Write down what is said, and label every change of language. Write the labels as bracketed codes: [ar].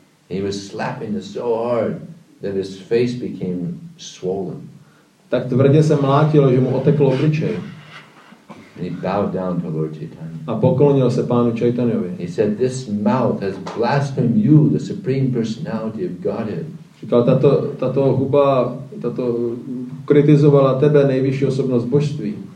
[en] And he was slapping it so hard that his face became swollen. [cs] Tak tvrdě se mlátilo, že mu oteklo obličej. [en] And he bowed down to Lord Chaitanya. [cs] A poklonil se pánu Chaitanyovi. [en] He said, "This mouth has blasphemed you, the supreme personality of Godhead." [cs] Říkal, tato huba, tato kritizovala tebe, nejvyšší osobnost božství.